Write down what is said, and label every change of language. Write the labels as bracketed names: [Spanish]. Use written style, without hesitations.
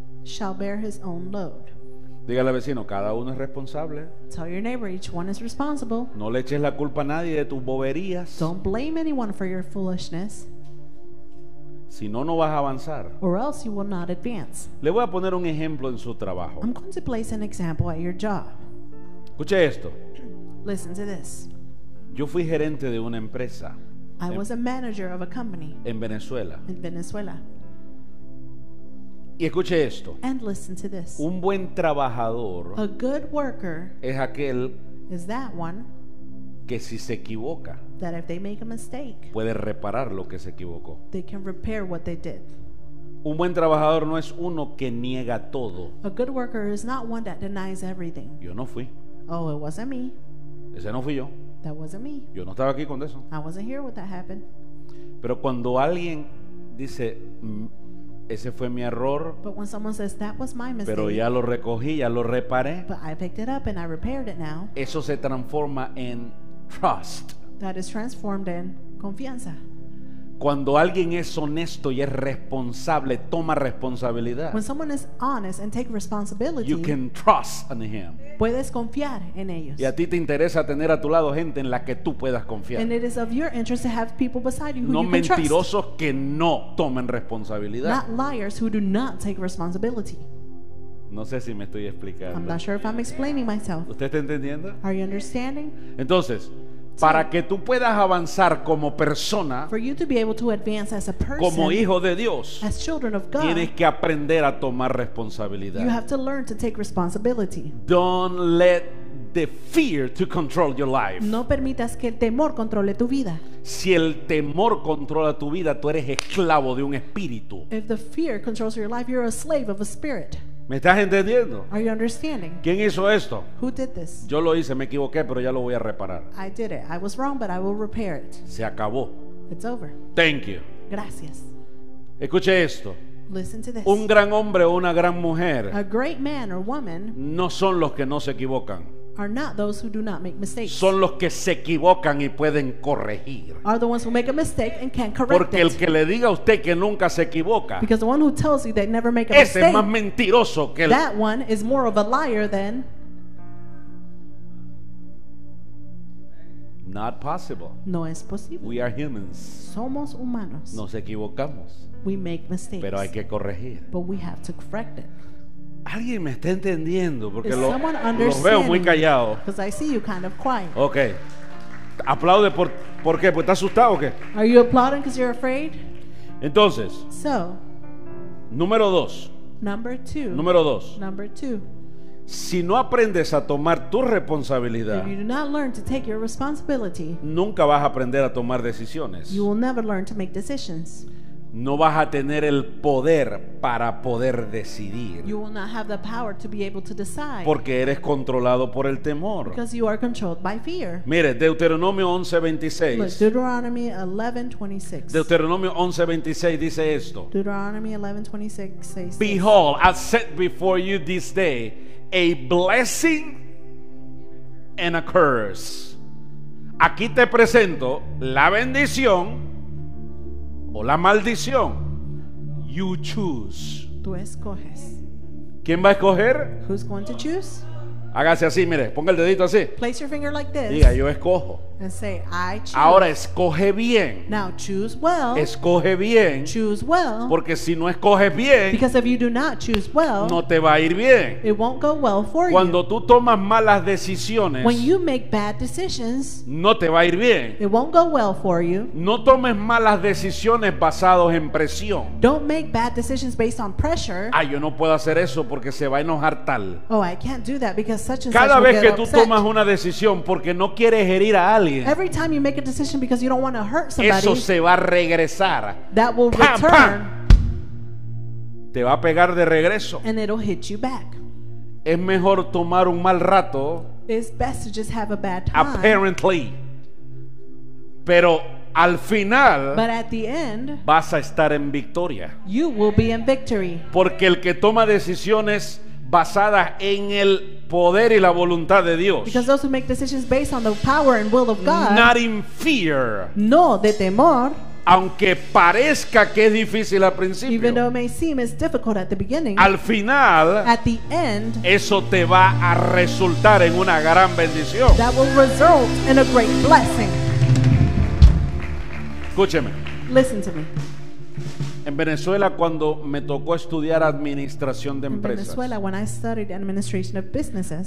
[English] Shall bear his own load. [Spanish] Dígale al vecino, cada uno es responsable. [English] Tell your neighbor, each one is responsible. [Spanish] No le eches la culpa a nadie de tus boberías. [English] Don't blame anyone for your foolishness. [Spanish] Si no, no vas a avanzar. [English] Or else you will not advance. [Spanish] Le voy a poner un ejemplo en su trabajo. [English] I'm going to place an example at your job. [Spanish] Escuche esto. [English] Listen to this. [Spanish] Yo fui gerente de una empresa. [English] I was a manager of a company. [Spanish] En Venezuela. [English] In Venezuela. [Spanish] Y escuche esto. [English] And listen to this. [Spanish] Un buen trabajador, [English] a good worker, [Spanish] es aquel, [English] is that one, [Spanish] que si se equivoca, [English] that if they make a mistake, [Spanish] puede reparar lo que se equivocó. [English] They can repair what they did. [Spanish] Un buen trabajador no es uno que niega todo. [English] A good worker is not one that denies everything. [Spanish] Yo no fui. [English] Oh, it wasn't me. [Spanish] Ese no fui yo. [English] That wasn't me. [Spanish] Yo no estaba aquí con eso. [English] I wasn't here when that happened. [Spanish] Pero cuando alguien dice, ese fue mi error, [English] but when someone says, that was my mistake, [Spanish] pero ya lo recogí, ya lo reparé, [English] but I picked it up and I repaired it now, [Spanish] eso se transforma en trust. [English] That is transformed in confianza. [Spanish] Cuando alguien es honesto y es responsable, toma responsabilidad. [English] When someone is honest and take responsibility, you can trust in him. [Spanish] Puedes confiar en ellos. Y a ti te interesa tener a tu lado gente en la que tú puedas confiar. [English] And it is of your interest to have people beside you who [Spanish] no [English] you can trust. [Spanish] No mentirosos que no tomen responsabilidad. [English] Not liars who do not take responsibility. [Spanish] No sé si me estoy explicando. [English] I'm not sure if I'm explaining myself. [Spanish] ¿Usted está entendiendo? [English] Are you understanding? [Spanish] Entonces, para que tú puedas avanzar como persona, [English] for you to be able to advance as a person, [Spanish] como hijo de Dios, [English] as children of God, [Spanish] tienes que aprender a tomar responsabilidad. [English] You have to learn to take responsibility. Don't let the fear to control your life. [Spanish] No permitas que el temor controle tu vida. Si el temor controla tu vida, tú eres esclavo de un espíritu. [English] If the fear controls your life, you're a slave of a spirit. [Spanish] ¿Me estás entendiendo? [English] Are you understanding? [Spanish] ¿Quién hizo esto? [English] Who did this? [Spanish] Yo lo hice, me equivoqué, pero ya lo voy a reparar. [English] I did it. I was wrong, but I will repair it. [Spanish] Se acabó. [English] It's over. Thank you. [Spanish] Gracias. Escuche esto. [English] Listen to this. [Spanish] Un gran hombre o una gran mujer, [English] a great man or woman, [Spanish] no son los que no se equivocan, [English] are not those who do not make mistakes. [Spanish] Son los que se equivocan y pueden corregir. [English] Are the ones who make a mistake and can correct. [Spanish] Porque [English] it. [Spanish] El que le diga a usted que nunca se equivoca, [English] because the one who tells you they never make a [Spanish] ese [English] mistake, [Spanish] ese es más mentiroso que el, [English] that one is more of a liar than. Not possible. [Spanish] No es posible. [English] We are humans. [Spanish] Somos humanos. Nos equivocamos. [English] We make mistakes. [Spanish] Pero hay que corregir. [English] But we have to correct it. [Spanish] ¿Alguien me está entendiendo? Porque los veo muy callado. [English] Because I see you kind of quiet. Okay. [Spanish] Aplaude por qué? Pues está asustado o qué? [English] Are you applauding because you're afraid? [Spanish] Entonces. [English] So. [Spanish] Número dos. [English] Number two. [Spanish] Número dos. [English] Number two. [Spanish] Si no aprendes a tomar tu responsabilidad, [English] if you do not learn to take your responsibility, [Spanish] nunca vas a aprender a tomar decisiones. [English] You will never learn to make decisions. [Spanish] No vas a tener el poder para poder decidir. [English] You will not have the power to be able to decide. [Spanish] Porque eres controlado por el temor. [English] Because you are controlled by fear. [Spanish] Mire, Deuteronomio 11:26. [English] Look, Deuteronomy 11:26. [Spanish] Deuteronomio 11:26 dice esto. [English] Deuteronomy 11:26 says, behold, I set before you this day a blessing and a curse. [Spanish] Aquí te presento la bendición o la maldición. [English] You choose. [Spanish] Tú escoges. ¿Quién va a escoger? [English] Who's going to choose? [Spanish] Hágase así, mire, ponga el dedito así. [English] Place your finger like this. [Spanish] Diga, yo escojo. [English] And say, I choose. [Spanish] Ahora escoge bien. [English] Now choose well. [Spanish] Escoge bien. [English] Choose well. [Spanish] Porque si no escoges bien, [English] because if you do not choose well, [Spanish] no te va a ir bien. [English] It won't go well for [Spanish] cuando [English] you. [Spanish] Cuando tú tomas malas decisiones, [English] when you make bad decisions, [Spanish] no te va a ir bien. [English] It won't go well for you. [Spanish] No tomes malas decisiones basadas en presión. [English] Don't make bad decisions based on pressure. [Spanish] Ah, yo no puedo hacer eso porque se va a enojar tal. [English] Oh, I can't do that because such and such. [Spanish] Cada vez que tú [English] upset. [Spanish] Tomas una decisión porque no quieres herir a alguien, [English] every time you make a decision because you don't want to hurt somebody, [Spanish] eso se va a regresar. [English] That will pam, return. [Spanish] Pam. Te va a pegar de regreso. [English] And it'll hit you back. [Spanish] Es mejor tomar un mal rato. [English] It's best to just have a bad time. Apparently. [Spanish] Pero al final, [English] but at the end, [Spanish] vas a estar en victoria. [English] You will be in victory. [Spanish] Porque el que toma decisiones basadas en el poder y la voluntad de Dios, [English] because those who make decisions based on the power and will of God, not in fear, [Spanish] no de temor, aunque parezca que es difícil al principio, [English] even though it may seem it's difficult at the beginning, [Spanish] al final, [English] at the end, [Spanish] eso te va a resultar en una gran bendición, [English] that will result in a great blessing. [Spanish] Escúcheme. [English] Listen to me. [Spanish] En Venezuela, cuando me tocó estudiar administración de empresas, [English] Venezuela, when I studied administration of businesses,